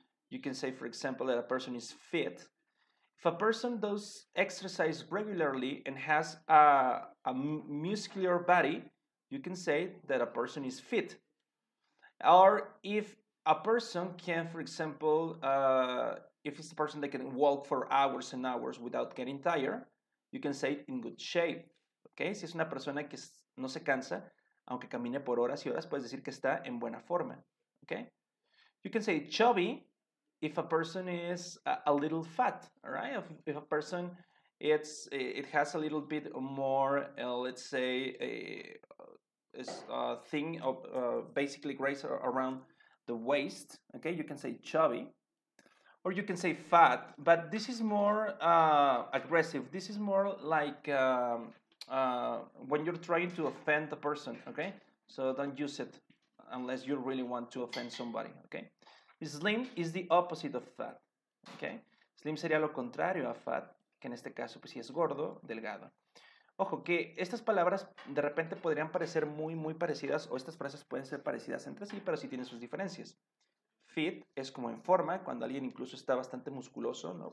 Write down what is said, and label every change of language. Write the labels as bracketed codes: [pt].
[en] You can say, for example, that a person is fit. If a person does exercise regularly and has a muscular body, you can say that a person is fit. Or if a person can, for example, if it's a person that can walk for hours and hours without getting tired, you can say in good shape. Okay? [es] Si es una persona que no se cansa, aunque camine por horas y horas, puedes decir que está en buena forma. [en] Okay? You can say chubby. If a person is a little fat, all right? If a person it has a little bit more, let's say, a thing of basically grace around the waist, okay? You can say chubby, or you can say fat, but this is more aggressive. This is more like when you're trying to offend a person, okay? So don't use it unless you really want to offend somebody, okay? Slim is the opposite of fat, okay? [es] Slim sería lo contrario a fat, que en este caso, pues, si es gordo, delgado. Ojo, que estas palabras de repente podrían parecer muy, muy parecidas, o estas frases pueden ser parecidas entre sí, pero sí tienen sus diferencias. Fit es como en forma, cuando alguien incluso está bastante musculoso, ¿no?